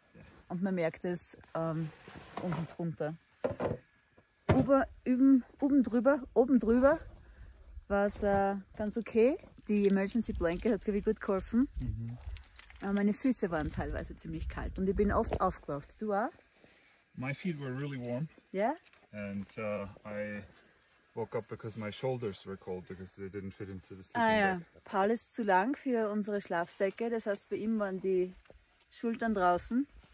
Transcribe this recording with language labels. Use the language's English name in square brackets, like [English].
[German] Yeah. Und man merkt es unten drunter. Oben drüber war es ganz okay. Die Emergency Blanket hat irgendwie gut geholfen. Mm-hmm. Aber meine Füße waren teilweise ziemlich kalt und ich bin oft aufgewacht. Du auch? [English] My feet were really warm. Yeah? And I woke up because my shoulders were cold, because they didn't fit into the sleeping bag. Ja. [German] Paul ist zu lang für unsere Schlafsäcke, das heißt bei ihm waren die Schultern draußen.